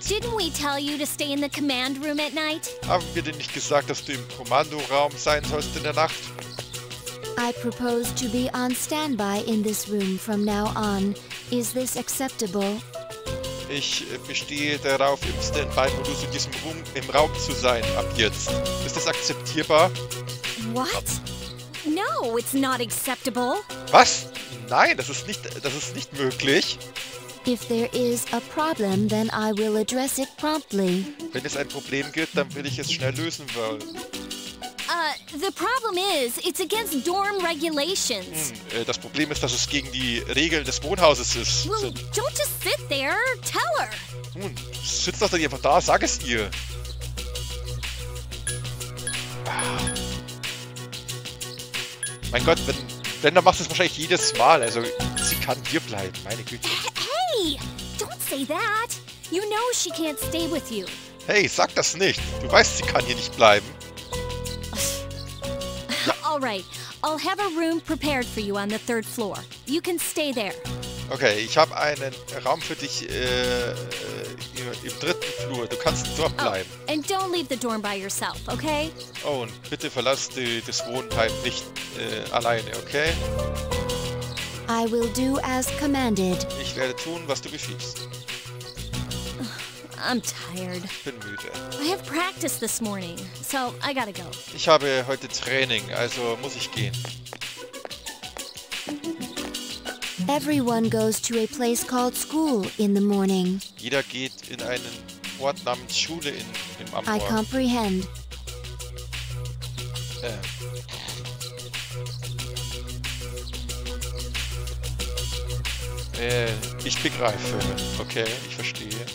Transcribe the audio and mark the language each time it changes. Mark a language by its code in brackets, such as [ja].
[en] Didn't we tell you to stay in the command room at night? [de] Haben wir denn nicht gesagt, dass du im Kommandoraum sein sollst in der Nacht? [en] I propose to be on standby in this room from now on. Is this acceptable? [de] Ich bestehe darauf, im Standby-Modus in diesem Raum, im Raum zu sein, ab jetzt. Ist das akzeptierbar? [en] What? No, it's not acceptable. [de] Was? Nein, das ist nicht möglich. [en] If there is a problem, then I will address it promptly. [de] Wenn es ein Problem gibt, dann will ich es schnell lösen wollen. [en] The problem is, it's against dorm regulations. [de] Das Problem ist, dass es gegen die Regeln des Wohnhauses ist. [en] Well, don't just sit there. Tell her. [de] Nun, sitz doch dann einfach da, sag es ihr. Mein Gott, wenn dann machst du es wahrscheinlich jedes Mal. Also, sie kann hier bleiben, meine Güte. [en] Hey, don't say that. You know she can't stay with you. [de] Hey, sag das nicht. Du weißt, sie kann hier nicht bleiben. [en] All right, I'll have a room prepared for you on the third floor. You can stay there. [de] Okay, ich habe einen Raum für dich im dritten Flur. Du kannst dort bleiben. [en] Oh, and don't leave the dorm by yourself, okay? [de] Oh, und bitte verlass das Wohnheim nicht alleine, okay? [en] I will do as commanded. [de] Ich werde tun, was du befiehlst. [en] I'm tired. [de] Ich bin müde. [en] I have practice this morning, so I gotta go. [de] Ich habe heute Training, also muss ich gehen. [en] Everyone goes to a place called school in the morning. [de] Jeder geht in einen Ort namens Schule im Morgen. [en] I comprehend. [de] Ich begreife. Okay, ich verstehe.